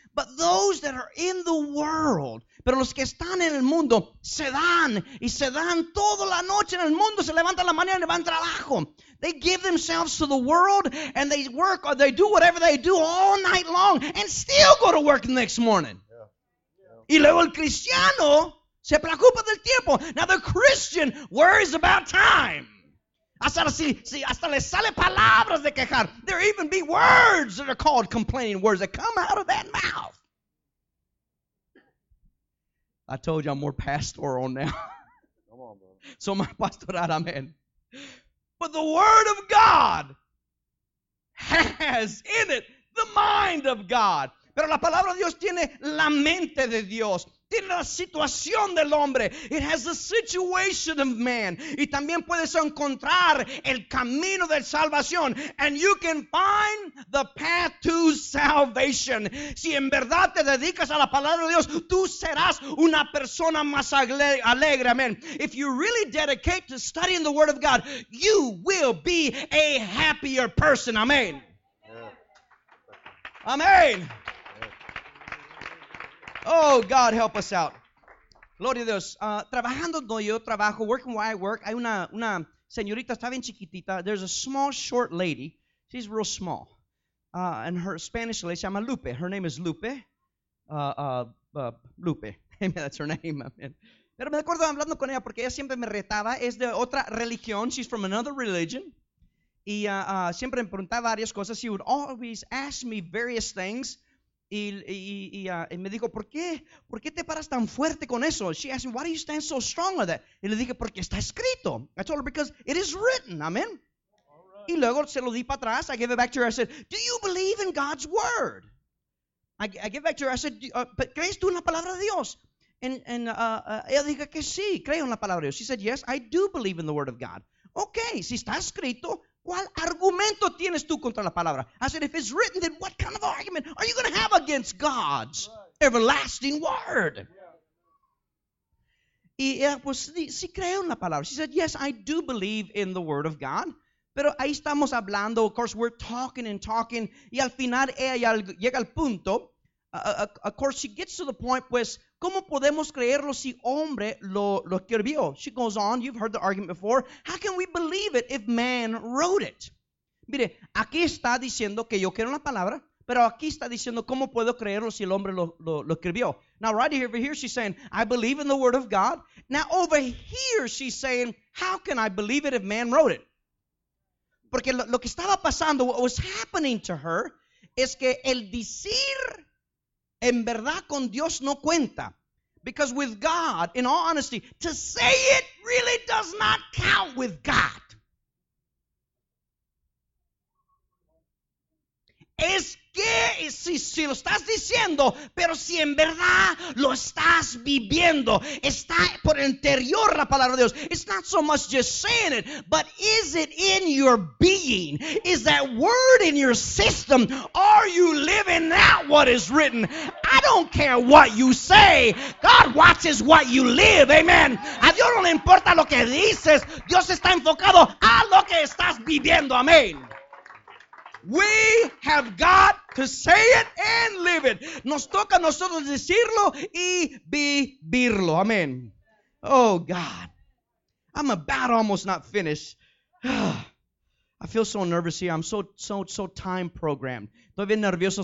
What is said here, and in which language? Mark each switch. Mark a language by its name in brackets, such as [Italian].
[English] But those that are in the world, [Spanish] pero los que están en el mundo, se dan y se dan toda la noche en el mundo. Se levantan la mañana y van trabajo. [English] They give themselves to the world and they work or they do whatever they do all night long and still go to work the next morning. Yeah. Yeah. [Spanish] Y luego el cristiano se preocupa del tiempo. [English] Now the Christian worries about time. [Spanish] Hasta le sale palabras de quejar. [English] There even be words that are called complaining words that come out of that mouth. I told you I'm more pastoral now. Come on, bro. So my pastorado, amen. But the Word of God has in it the mind of God. [Spanish] Pero la palabra de Dios tiene la mente de Dios. Tiene la situación del hombre. [English] It has the situation of man. [Spanish] Y también puedes encontrar el camino de salvación. [English] And you can find the path to salvation. [Spanish] Si en verdad te dedicas a la palabra de Dios, tú serás una persona más alegre. Amen. [English] If you really dedicate to studying the Word of God, you will be a happier person. Amen. Yeah. Amen. Oh, God, help us out. [Spanish] Gloria a Dios. Trabajando donde yo trabajo, [English] working where I work, [Spanish] hay una señorita, está bien chiquitita. [English] There's a small, short lady. She's real small. And her Spanish lady, [Spanish] se llama Lupe. [English] Her name is Lupe. Lupe. That's her name. Amen. [Spanish] Pero me acuerdo hablando con ella porque ella siempre me retaba. Es de otra religión. [English] She's from another religion. [Spanish] Y siempre me preguntaba varias cosas. [English] She would always ask me various things. [Spanish] Y me dijo, ¿por qué te paras tan fuerte con eso? [English] She asked me, why do you stand so strong with that? [Spanish] Y le dije, porque está escrito. [English] I told her, because it is written, amen. Right. [Spanish] Y luego se lo di para atrás. [English] I gave it back to her. I said, do you believe in God's word? I gave it back to her. [Spanish] I said, ¿crees tú en la palabra de Dios? And ella dijo que sí, creo en la palabra de Dios. [English] She said, yes, I do believe in the word of God. [Spanish] Okay, si está escrito, ¿cuál argumento tienes tú contra la palabra? [English] I said, if it's written, then what kind of argument are you going to have against God's everlasting word? [Spanish] Yeah. Y ella, pues, sí creo en la palabra. [English] She said, yes, I do believe in the word of God. [Spanish] Pero ahí estamos hablando. [English] Of course, we're talking and talking. [Spanish] Y al final ella llega al punto. [English] Of course, she gets to the point, [Spanish] pues, ¿cómo podemos creerlo si hombre lo escribió? [English] She goes on, you've heard the argument before. How can we believe it if man wrote it? [Spanish] Mire, aquí está diciendo que yo quiero la palabra, pero aquí está diciendo cómo puedo creerlo si el hombre lo escribió. [English] Now, right here, over here, she's saying, I believe in the word of God. Now, over here, she's saying, how can I believe it if man wrote it? [Spanish] Porque lo que estaba pasando, [English] what was happening to her, [Spanish] es que el decir... En verdad con Dios no cuenta. [English] Because with God, in all honesty, to say it really does not count with God. [Spanish] Es que si lo estás diciendo, pero si en verdad lo estás viviendo, está por interior la palabra de Dios. [English] It's not so much just saying it, but is it in your being? Is that word in your system? Are you living out what is written? I don't care what you say. God watches what you live. Amen. [Spanish] A Dios no le importa lo que dices. Dios está enfocado a lo que estás viviendo. Amen. [English] We have got to say it and live it. [Spanish] Nos toca a nosotros decirlo y vivirlo. Amen. Oh, God. [English] I'm about almost not finished. I feel so nervous here. I'm so time programmed. [Spanish] Estoy bien nervioso.